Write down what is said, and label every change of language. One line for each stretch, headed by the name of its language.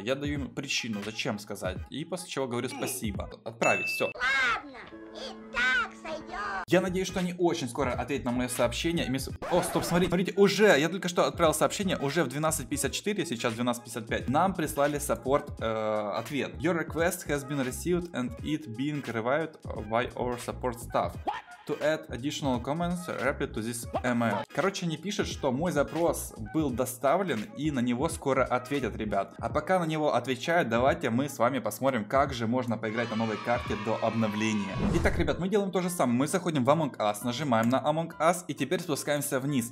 Russian: Я даю им причину, зачем сказать. И после чего говорю, спасибо. Отправить, все. Я надеюсь, что они очень скоро ответят на мое сообщение. О, стоп, смотрите, уже, я только что отправил сообщение, уже в 12.54, сейчас 12.55, нам прислали саппорт ответ.
English: Your request has been received and it being revived by our support staff. To add additional comments, reply to this email.
Russian: Короче, они пишут, что мой запрос был доставлен и на него скоро ответят, ребят. А пока на него отвечают, давайте мы с вами посмотрим, как же можно поиграть на новой карте до обновления. Итак, ребят, мы делаем то же самое. Мы заходим в Among Us, нажимаем на Among Us и теперь спускаемся вниз.